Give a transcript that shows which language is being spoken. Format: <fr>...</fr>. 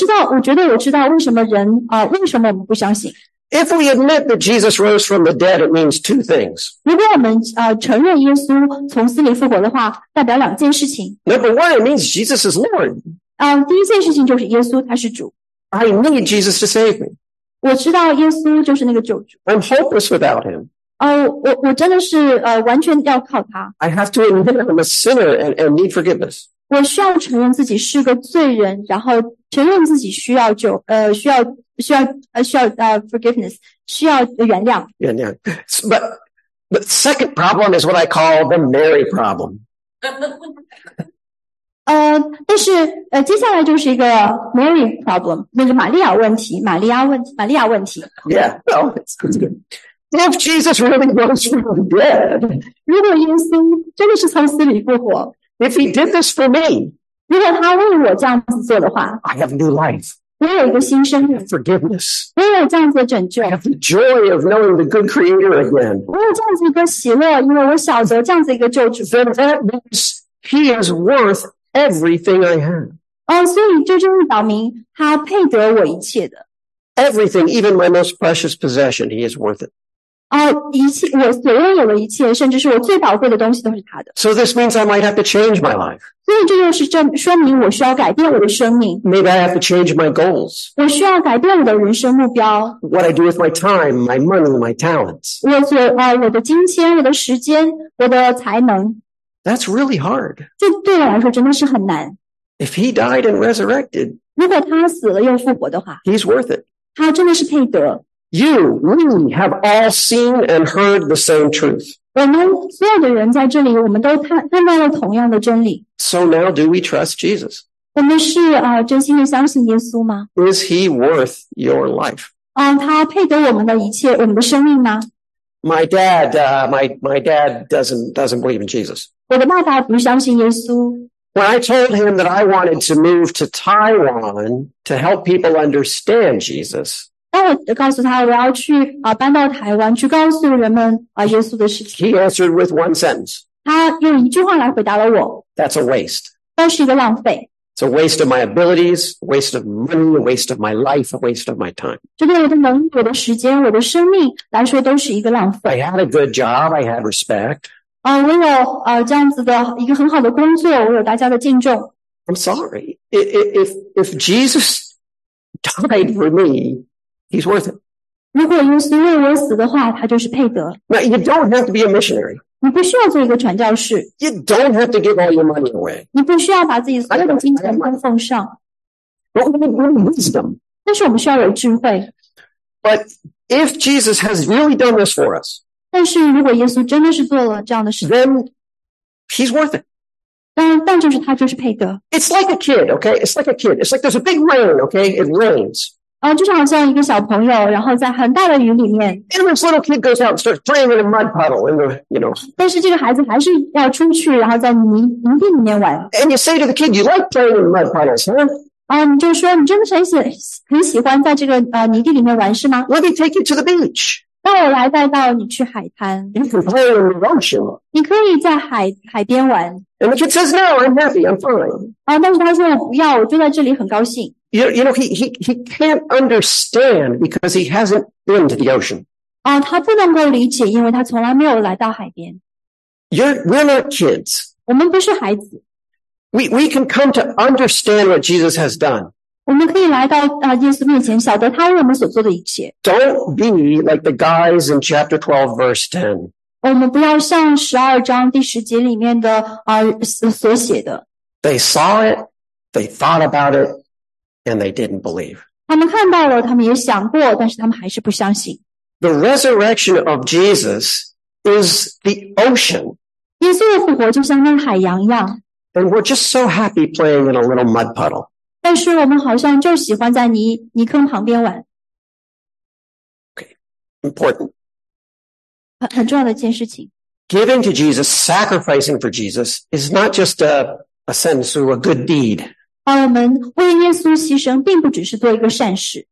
<zh>我觉得为什么人为什么我们不相信。</zh> <en>If we admit that Jesus rose from the dead, it means two things.</en> <zh>如果我们承认耶稣从死里复活的话，代表两件事情。</zh> <en>Number one, it means Jesus is Lord.</en> <zh>第一件事情就是耶稣他是主。</zh> <en>I need Jesus to save me.</en> <zh>我知道耶稣就是那个救主。</zh> <en>I'm hopeless without him.</en> <zh>我真的是完全要靠他。</zh> <en>I have to admit I'm a sinner and need forgiveness.</en> <zh>我需要承认自己是个罪人，然后承认自己需要 forgiveness， 需要原谅。原谅。</zh> <en>But second problem is what I call the Mary problem.</en> <zh>但是接下来就是一个</zh> <en>Mary problem，</en> <zh>那个玛利亚问题。</zh> <en>Yeah, well, it's good. If Jesus really rose from the dead,</en> <zh>如果耶稣真的是从死里复活</zh> <en>，If he did this for me,</en> <zh>如果他为我这样子做的话</zh> <en>，I have new life.</en> <zh>我有一个新生命</zh> <en>，forgiveness.</en> <zh>我有这样子的拯救</zh> <en>，I have the joy of knowing the good Creator again.</en> <zh>我有这样子一个喜乐，因为我晓得这样子一个救主。</zh> <en>Then that means he is worth everything I have.</en> <zh>所以就这么表明他配得我一切的。</zh> <en>Everything, even my most precious possession, he is worth it.</en> <zh>一切我所拥有的一切，甚至是我最宝贵的东西，都是他的。</zh> <en>So this means I might have to change my life.</en> <zh>所以这就是说明我需要改变我的生命。</zh> <en>Maybe I have to change my goals.</en> <zh>我需要改变我的人生目标。</zh> <en>What I do with my time, my money, my talents.</en> <zh>我的金钱，我的时间，我的才能。</zh> <en>That's really hard.</en> <zh>这对我来说真的是很难。</zh> <en>If he died and resurrected,</en> <zh>如果他死了又复活的话</zh> <en>，He's worth it.</en> <zh>他真的是配得。</zh> <en>You, we have all seen and heard the same truth.</en> <zh>我们所有的人在这里，我们都看到了同样的真理。</zh> <en>So now, do we trust Jesus?</en> <zh>我们是真心的相信耶稣吗</zh> <en>？Is he worth your life?</en> <zh>他配得我们的一切，我们的生命吗</zh> <en>？My dad, my dad doesn't believe in Jesus.</en> <zh>我的爸爸不相信耶稣。</zh> <en>When I told him that I wanted to move to Taiwan to help people understand Jesus.</en> <zh>当我告诉他我要去搬到台湾去告诉人们耶稣的事情</zh> <en>He answered with one sentence.</en> <zh>他用一句话来回答了我</zh> <en>That's a waste.</en> <zh>那是一个浪费</zh> <en>It's a waste of my abilities, a waste of money, a waste of my life, a waste of my time.</en> <zh>这对我的能力我的时间我的生命来说都是一个浪费</zh> <en>I had a good job, I had respect.</en> <zh>我有这样子的一个很好的工作我有大家的敬重</zh> <en>I'm sorry. If Jesus died for me,He's worth it.</en> <zh>如果耶稣为我死的话，他就是配得。</zh> <en>Now you don't have to be a missionary.</en> <zh>你不需要做一个传教士。</zh> <en>You don't have to give all your money away.</en> <zh>你不需要把自己所有的金钱都奉上。</zh> <en>But we need wisdom.</en> <zh>但是我们需要有智慧。</zh> <en>But if Jesus has really done this for us,</en> <zh>但是如果耶稣真的是做了这样的事</zh> <en>，then he's worth it.</en> <zh>但就是他就是配得。</zh> <en>It's like a kid, okay? It's like a kid. It's like there's a big rain, okay? It rains.</en> <zh>就是好像一个小朋友，然后在很大的雨里面。</zh> <en>And this little kid goes out and starts playing in a mud puddle, in the, you know.</en> <zh>但是这个孩子还是要出去，然后在泥地里面玩。</zh> <en>And you say to the kid, "You like playing in the mud puddles, huh?"</en> <zh>就说你真的是很喜欢在这个泥地里面玩，是吗</zh> <en>？Let me take you to the beach.</en> <zh>让我来带到你去海滩。</zh> <en>You can play in the ocean.</en> <zh>你可以在海边玩。</zh> <en>And the kid says, "No, I'm happy. I'm fine."</en> <zh>但是他说我不要，我就在这里很高兴。</zh> <en>You know, he can't understand because he hasn't been to the ocean.</en> <zh>他不能够理解，因为他从来没有来到海边。</zh> <en>We're not kids.</en> <zh>我们不是孩子。</zh> <en>We can come to understand what Jesus has done.</en> <zh>我们可以来到耶稣面前，晓得他为我们所做的一切。</zh> <en>Don't be like the guys in chapter 12, verse 10.</en> <zh>我们不要像12章第10节里面的所写的。</zh> <en>They saw it, they thought about it, and they didn't believe.</en> <zh>他们看到了，他们也想过，但是他们还是不相信。</zh> <en>The resurrection of Jesus is the ocean.</en> <zh>耶稣的复活就像那海洋一样。</zh> <en>And we're just so happy playing in a little mud puddle.</en> <zh>但是我们好像就喜欢在泥坑旁边玩。</zh> <en>Okay, important.</en> <zh>很重要的一件事情。</zh> <en>Giving to Jesus, sacrificing for Jesus, is not just a sense or a good deed.</en> <zh>我们为耶稣牺牲并不只是做一个善事。</zh>